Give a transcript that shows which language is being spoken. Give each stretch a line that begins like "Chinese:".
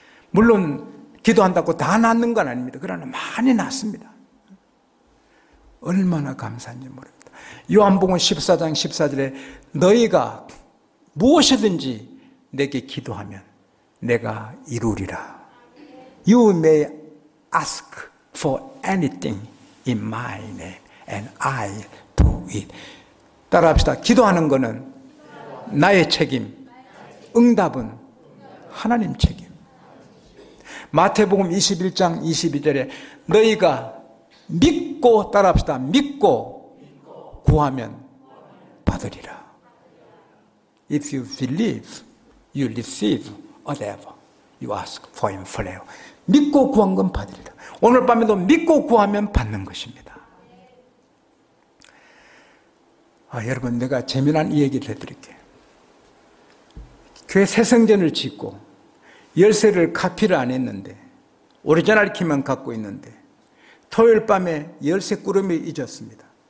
Korean: 물론 기도한다고 다 낫는 건 아닙니다. 그러나 많이 낫습니다. 얼마나 감사한지 모릅니다. 요한복음 14장 14절에 너희가 무엇이든지 내게 기도하면 내가 이루리라.
English: You may ask for anything in my name and I'll do it.
Korean: 따라합시다. 기도하는 것은 나의 책임, 응답은 하나님 책임. 마태복음 21장 22절에 너희가 믿고, 따라합시다. 믿고 구하면 받으리라.
English: If you believe, you receive whatever you ask for in prayer.
Korean: 믿고 구한 건 받으리라. 오늘 밤에도 믿고 구하면 받는 것입니다. 아, 여러분, 내가 재미난 이 얘기를 해드릴게요. 교회 새 성전을 짓고 열쇠를 카피를 안 했는데, 오리지널 키만 갖고 있는데 토요일 밤에 열쇠 꾸러미를 잊었습니다.